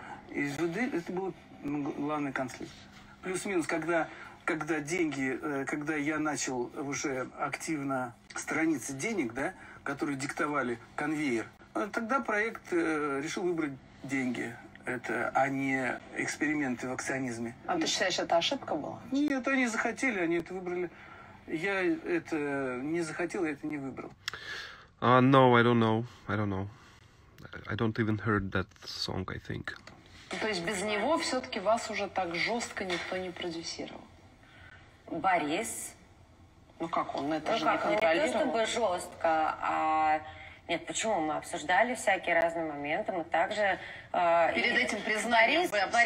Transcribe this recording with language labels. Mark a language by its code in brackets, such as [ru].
[ru] И СВД это был главный конфликт. Плюс-минус, когда я начал уже активно сторониться денег, да, которые диктовали конвейер, тогда проект решил выбрать деньги. Это, а не эксперименты в акционизме. А ты считаешь, это ошибка была? Нет, они захотели, они это выбрали. Я это не захотел, я это не выбрал. [en] No, I don't know. I don't know. I don't even heard that song, I think. [ru] То есть без него все-таки вас уже так жестко никто не продюсировал? Борис? Ну как он, это же не контролировал. Ну как, не то чтобы жестко, а Нет, почему? Мы обсуждали всякие разные моменты, мы также... Перед этим признанием вы обсуждали?